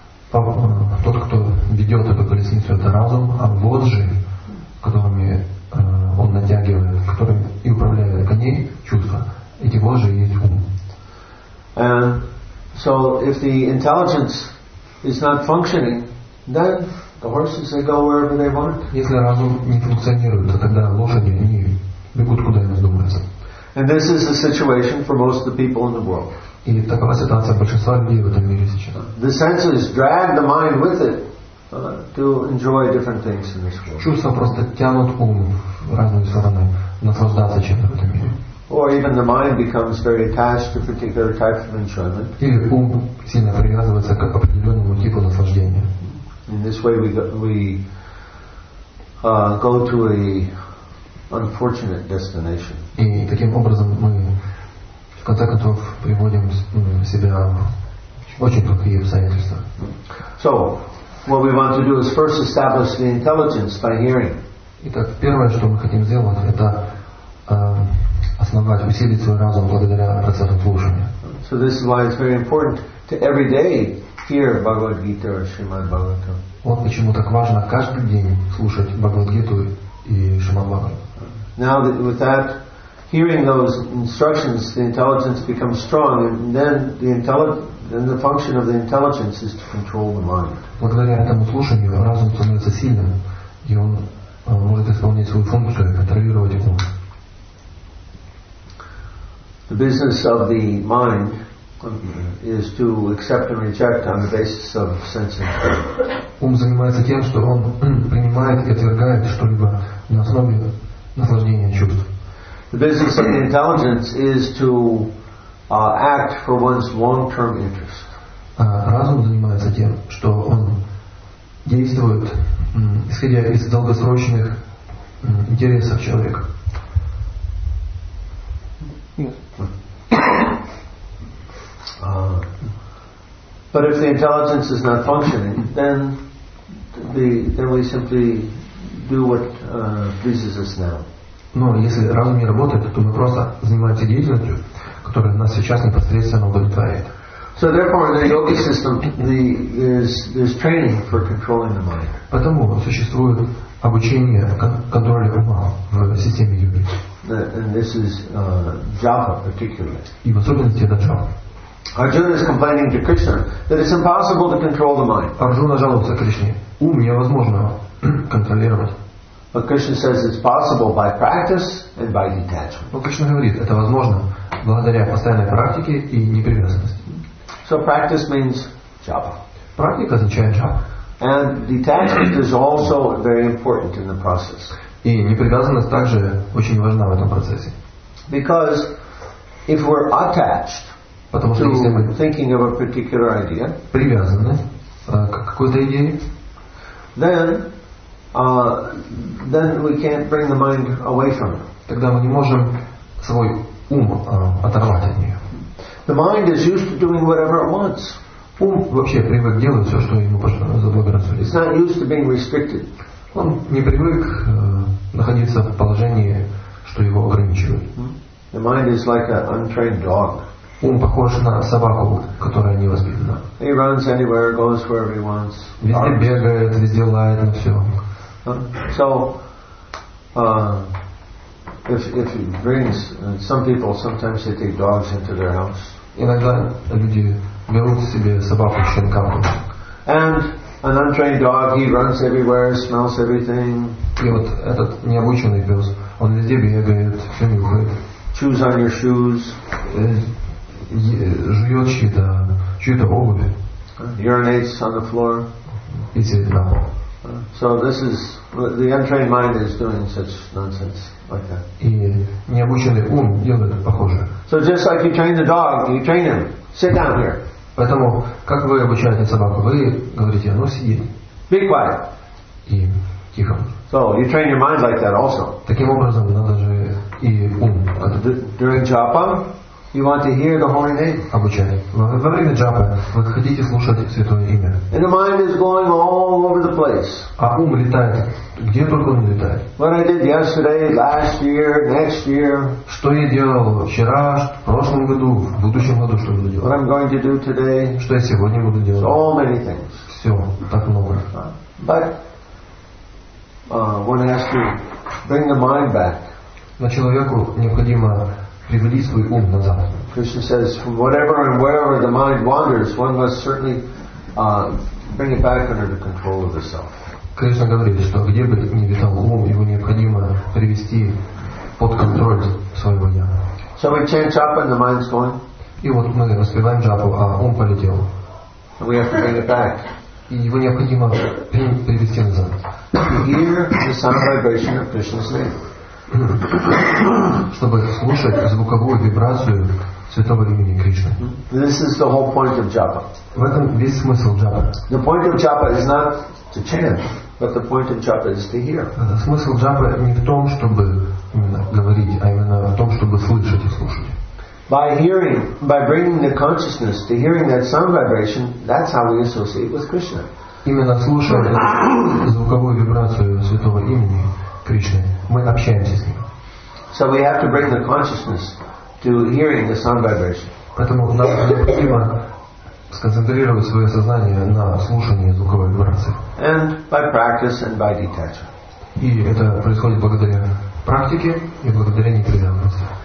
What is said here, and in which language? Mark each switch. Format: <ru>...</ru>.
<ru>Тот, кто ведет эту колесницу, это разум, а вожжи, которыми он натягивает, которыми и управляет коней, чувства, эти вожжи и есть ум.</ru> <en>So if the intelligence is not functioning, then the horses they go wherever they want.</en> <ru>Если разум не функционирует, тогда лошади они бегут куда им вздумается.</ru> <en>And this is the situation for most of the people in the world.</en> <ru>И такова ситуация большинства людей в этом мире сейчас.</ru> <en>The senses drag the mind with it to enjoy different things in this world.</en> <ru>Чувства просто тянут ум в разные стороны, наслаждаться чем-то в этом мире.</ru> <en>Or even the mind becomes very attached to particular types of enjoyment.</en> <ru>Или ум сильно привязывается к определенному типу наслаждения.</ru> <en>In this way we go to a unfortunate destination.</en> <ru>И таким образом мы в конце концов приводим себя в очень плохие обстоятельства.</ru> <en>So what we want to do is first establish the intelligence by hearing.</en> <ru>Итак, первое, что мы хотим сделать, это основать, усилить свой разум благодаря процессу слушания.</ru> <en>So this is why it's very important to every day hear Bhagavad Gita or Shrimad Bhagavatam.</en> <ru>Вот почему так важно каждый день слушать Бхагавад-гиту и Шримад-бхагаватам.</ru> <en>Now that with that hearing those instructions, the intelligence becomes strong, and then the function of the intelligence is to control the mind.</en> <ru>Благодаря этому слушанию разум становится сильным, и он может исполнить свою функцию, контролировать его.</ru> <en>The business of the mind is to accept and reject on the basis of sense input.</en> <ru>Ум занимается тем, что он принимает и отвергает что-либо на основе наслаждения чувств.</ru> <en>The business of the intelligence is to act for one's long-term interest.</en> <ru>Разум занимается тем, что он действует исходя из долгосрочных интересов человека.</ru> <en>But if the intelligence is not functioning, then we simply do what pleases us now.</en> <ru>Но если разум не работает, то мы просто занимаемся деятельностью, которая нас сейчас непосредственно удовлетворяет.</ru> <en>So therefore, the yogi system is training for controlling the mind.</en> <ru>Поэтому существует обучение контроля ума в системе йоги.</ru> <en>And this is japa particularly.</en> <ru>И в особенности это джапа.</ru> <en>Arjuna is complaining to Krishna that it's impossible to control the mind.</en> <ru>Arjuna жалуется Кришне. Ум невозможно контролировать.</ru> <en>But Krishna says it's possible by practice and by detachment.</en> <ru>Но Кришна говорит, это возможно благодаря постоянной практике и непривязанности.</ru> <en>So practice means japa.</en> <ru>Практика означает джапа.</ru> <en>And detachment is also very important in the process.</en> <ru>И непривязанность также очень важна в этом процессе.</ru> <en>Because if we're attached</en> <ru>потому что</ru> <en>to</en> <ru>если мы</ru> <en>thinking of a particular idea,</en> <ru>привязаны к какой-то идее,</ru> <en>then we can't bring the mind away from it.</en> <ru>Тогда мы не можем свой ум оторвать от нее.</ru> <en>The mind is used to doing whatever it wants.</en> <ru>Ум вообще привык делать все, что ему заблагорассудится.</ru> <en>It's not used to being restricted.</en> <ru>Он не привык находиться в положении, что его ограничивает.</ru> <en>The mind is like an untrained dog.</en> <ru>Ум похож на собаку, которая не воспитана.</ru> <en>He runs anywhere, goes wherever he wants.</en> <ru>Везде бегает, везде лает, на все.</ru> <en>So if he brings some people, sometimes they take dogs into their house.</en> <ru>Иногда люди берут себе собаку, щенка.</ru> <en>And an untrained dog, he runs everywhere, smells everything.</en> <ru>И вот этот необученный пес, он везде бегает, все нюхает.</ru> <en>Chews on your shoes.</en> <ru>Жует чью-то обувь.</ru> <en>Urinates on the floor.</en> <ru>И сидит на пол.</ru> <en>So this is the untrained mind is doing such nonsense like that.</en> <ru>И необученный ум делает похожее.</ru> <en>So just like you train the dog, you train him. Sit down here.</en> <ru>Поэтому как вы обучаете собаку? Вы говорите, ну сиди.</ru> <en>Be quiet.</en> <ru>И стихом.</ru> <en>So you train your mind like that also.</en> <ru>Таким образом надо же и ум.</ru> <en>During japa, you want to hear the holy name.</en> <ru>Обучение. Но во время джапы вы хотите слушать святое имя.</ru> <en>And the mind is going all over the place.</en> <ru>А ум летает. Где только он летает.</ru> <en>What I did yesterday, last year, next year.</en> <ru>Что я делал вчера, в прошлом году, в будущем году, что буду делать.</ru> <en>What I'm going to do today.</en> <ru>Что я сегодня буду делать.</ru> <en>So many things.</en> <ru>Все, так много.</ru> <en>But one has to bring the mind back.</en> <ru>Но человеку необходимо приводить свой ум назад.</ru> <en>Krishna says, whatever and wherever the mind wanders, one must certainly bring it back under the control of the self.</en> <ru>Кришна говорит, что где бы ни витал ум, его необходимо привести под контроль своего я.</ru> <en>So we chant japa and the mind's going.</en> <ru>И вот мы распеваем джапу, а ум полетел.</ru> <en>So we have to bring it back.</en> <ru>И его необходимо привести назад.</ru> <en>Hear the sound vibration of Krishna's name.</en> <ru>Чтобы слушать звуковую вибрацию святого имени Кришны.</ru> <en>This is the whole point of japa.</en> <ru>В этом весь смысл джапа.</ru> <en>The point of japa is not to chant, but the point of japa is to hear.</en> <ru>Смысл джапы не в том, чтобы говорить, а именно в том, чтобы слышать и слушать.</ru> <en>By hearing, by bringing the consciousness to hearing that sound vibration, that's how we associate with Krishna.</en> <ru>Именно слушая звуковую вибрацию святого имени Кришны, мы общаемся с ним.</ru> <en>So we have to bring the consciousness to hearing the sound vibration.</en> <ru>Поэтому нам необходимо сконцентрировать свое сознание на слушании звуковой вибрации.</ru> <en>And by practice and by detachment.</en> <ru>И это происходит благодаря практике и благодаря непрерывности.</ru>